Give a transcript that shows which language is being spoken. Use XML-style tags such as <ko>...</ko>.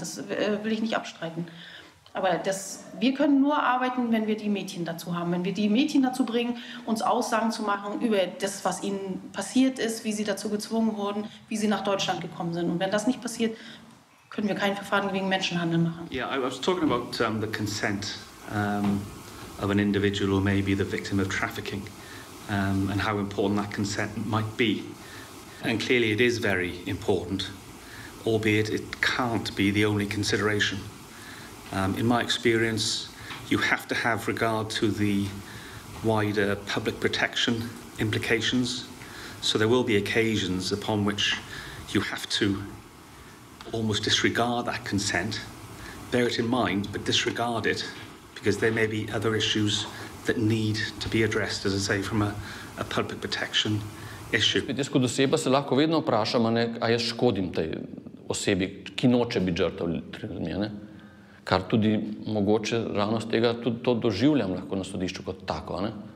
<de>Das will ich nicht abstreiten. Aber wir können nur arbeiten, wenn wir die Mädchen dazu haben. Wenn wir die Mädchen dazu bringen, uns Aussagen zu machen über das, was ihnen passiert ist, wie sie dazu gezwungen wurden, wie sie nach Deutschland gekommen sind. Und wenn das nicht passiert, können wir kein Verfahren gegen Menschenhandel machen.</de> <en>Yeah, I was talking about the consent of an individual or maybe the victim of trafficking and how important that consent might be. And clearly it is very important, albeit it can't be the only consideration. In my experience, you have to have regard to the wider public protection implications. So there will be occasions upon which you have to almost disregard that consent, bear it in mind, but disregard it, because there may be other issues that need to be addressed, as I say, from a public protection issue.</en> <sl>Jaz kot oseba se lahko vedno vprašam, ne, a jaz škodim tej osebi, ki noče biti žrtev trilomije, ne? Kar tudi mogoče ravno z tega tudi to doživljam lahko na sodišču kot tako, ne?</sl>